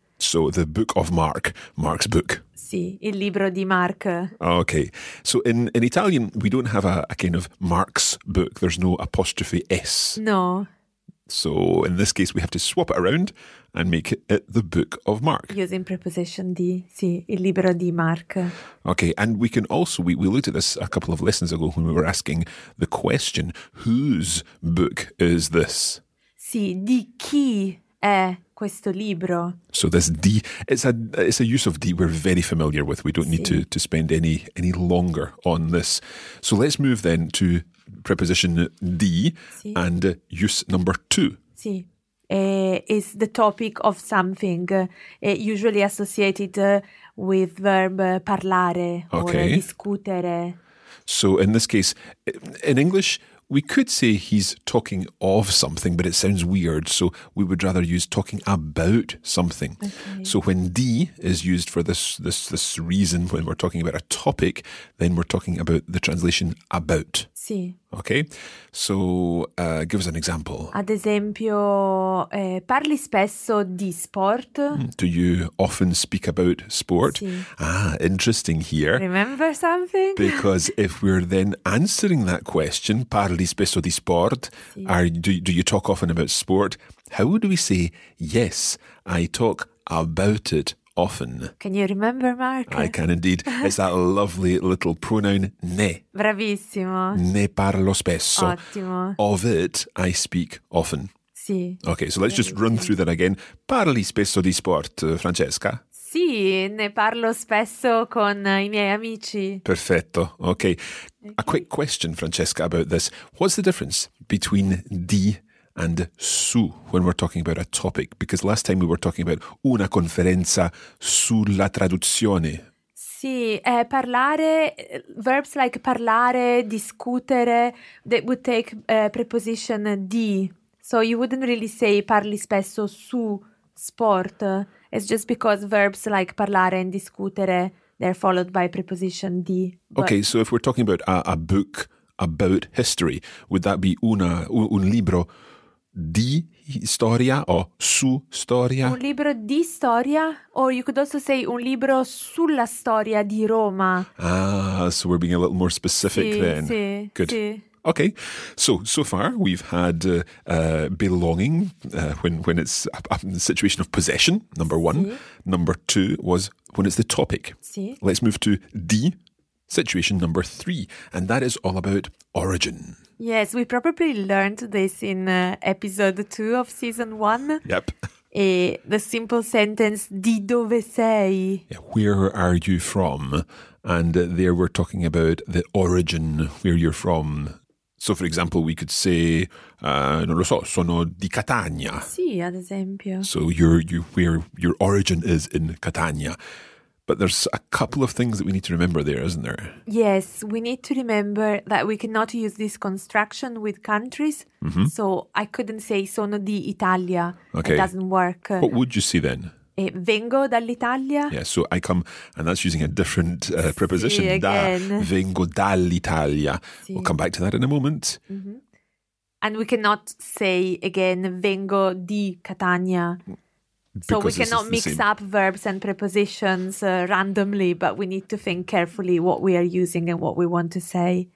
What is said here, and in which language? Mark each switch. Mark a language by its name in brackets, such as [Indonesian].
[English] So, the book of Mark, Mark's book. [Italian] Sì, il libro di Mark. [English] Okay. So, in Italian, we don't have a kind of Mark's book. There's no apostrophe S. No. So, in this case, we have to swap it around and make it the book of Mark. Using preposition di, [Italian] sì, il libro di Mark. [English] Okay. And we can also, we looked at this a couple of lessons ago when we were asking the question, whose book is this? [Italian] Sì, di chi è questo libro. [English] So this D, it's a use of D we're very familiar with. We don't need to spend any longer on this. So let's move then to preposition D and use number two. Sì, is the topic of something usually associated with verb parlare or okay. [Italian] discutere. [English] So in this case, in English, we could say he's talking of something, but it sounds weird. So we would rather use talking about something. Okay. So when D is used for this reason, when we're talking about a topic, then we're talking about the translation about. Sì. Okay. So give us an example. [Italian] Ad esempio, parli spesso di sport. [English] Do you often speak about sport? [Italian] Sì. [English] Ah, interesting here. Remember something? Because if we're then answering that question, [Italian] parli spesso di sport, sì. [English] do you talk often about sport? How would we say, yes, I talk about it often? Can you remember, Mark? I can indeed. It's that lovely little pronoun, ne. [Italian] Bravissimo. Ne parlo spesso. Ottimo. [English] Of it, I speak often. [Italian] Sì. [English] Okay, so let's just run through that again. [Italian] Parli spesso di sport, Francesca? Sì, ne parlo spesso con i miei amici. Perfetto, okay. [English] A quick question, Francesca, about this. What's the difference between di and su when we're talking about a topic? Because last time we were talking about [Italian] una conferenza sulla traduzione. [English] Sì, parlare, verbs like parlare, discutere, that would take preposition di. So you wouldn't really say [Italian] parli spesso su sport. [English] It's just because verbs like parlare and discutere, they're followed by preposition di. Okay, so if we're talking about a book about history, would that be [Italian] un libro di storia o su storia? Un libro di storia, [English] or you could also say [Italian] un libro sulla storia di Roma. [English] Ah, so we're being a little more specific [Italian] sì, [English] then. [Italian] Sì, [English] good. [Italian] Sì. [English] Okay, so far we've had belonging when it's a situation of possession, number one. [Italian] Sì. [English] Number two was when it's the topic. [Italian] Sì. [English] Let's move to di, situation number three, and that is all about origin. Yes, we probably learned this in episode 2 of season 1. Yep. The simple sentence, [Italian] di dove sei? [English] Yeah, where are you from? And there we're talking about the origin, where you're from. So, for example, we could say, [Italian] non lo so, sono di Catania. Sì, ad esempio. [English] So, where your origin is in Catania. But there's a couple of things that we need to remember there, isn't there? Yes, we need to remember that we cannot use this construction with countries. Mm-hmm. So, I couldn't say [Italian] sono di Italia. [English] Okay. It doesn't work. What would you say then? [Italian] Vengo dall'Italia. [English] Yeah, so I come, and that's using a different preposition. [Italian] Sì, again. Da, vengo dall'Italia. Sì. [English] We'll come back to that in a moment. Mm-hmm. And we cannot say again, [Italian] vengo di Catania. [English] Because so we cannot mix up verbs and prepositions randomly, but we need to think carefully what we are using and what we want to say.